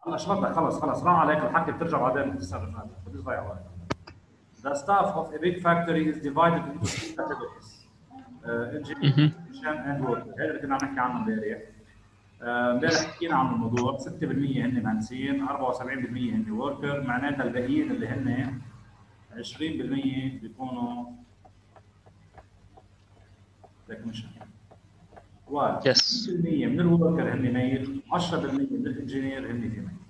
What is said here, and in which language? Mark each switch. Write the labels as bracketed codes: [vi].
[ar] انا شرطك خلص خلص، سلام عليك، الحكي بترجع بعدين تسال. هذا ضيع وقت. [en] The staff of a big factory is divided into three categories: engineer, technician, and worker. [ar] هذا اللي كنا عم نحكي عنه امبارح. امبارح حكينا عن الموضوع، 6% هن مهندسين، 74% هن worker، معناتها الباقيين اللي هن 20% بيكونوا technician. و 10% من الوركر هن ميت، 10% من الانجينير هن في ميت.